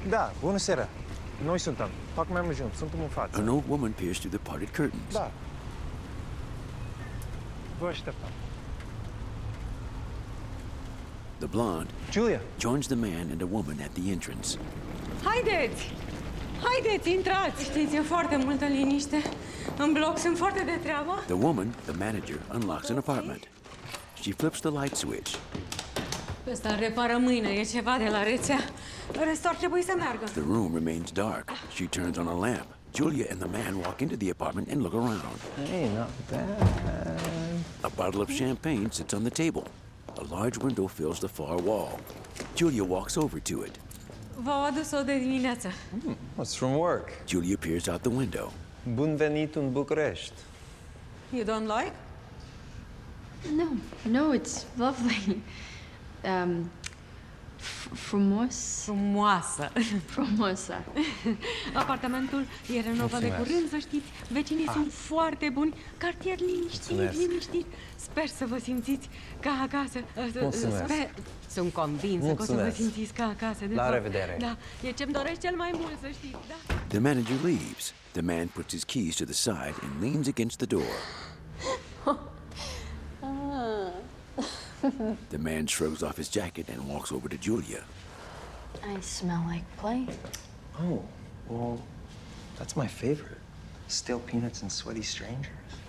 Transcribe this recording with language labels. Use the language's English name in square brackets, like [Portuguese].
[Romanian] Da, bună seara. Noi suntem. Fac mai mult jump. Suntem în față. [English] An old woman peers through the parted curtains. [Romanian] Da. Vă așteptam. [English] The blonde, Julia, joins the man and a woman at the entrance. [Romanian] Haideți, intrați. Știți, e foarte multă liniște. În bloc sunt foarte de treabă. [English] The woman, the manager, unlocks an apartment. She flips the light switch. [Romanian] Ăsta îl repară mâine, e ceva de la rețea. Restul ar trebui să meargă. [English] The room remains dark. She turns on a lamp. Julia and the man walk into the apartment and look around. Hey, not bad. A bottle of champagne sits on the table. A large window fills the far wall. Julia walks over to it. [Romanian] V-au adus-o de dimineață. [English] It's from work. Julia peers out the window. [Romanian] Bun venit în București. [English] You don't like? No, it's lovely. [Romanian] Frumoasă. Frumoasă. Apartamentul e renovat de curând, să știți. Vecinii sunt foarte buni. Cartier liniștit. Sper să vă simțiți ca acasă. Mulțumesc. Sunt convinsă că o să vă simțiți ca acasă. La revedere. Da, e ce-mi doresc cel mai mult, să știți. Da. [English] The manager leaves. The man puts his keys to the side and leans against the door. The man shrugs off his jacket and walks over to Julia. I smell like play. Oh, well, that's my favorite. Stale peanuts and sweaty strangers.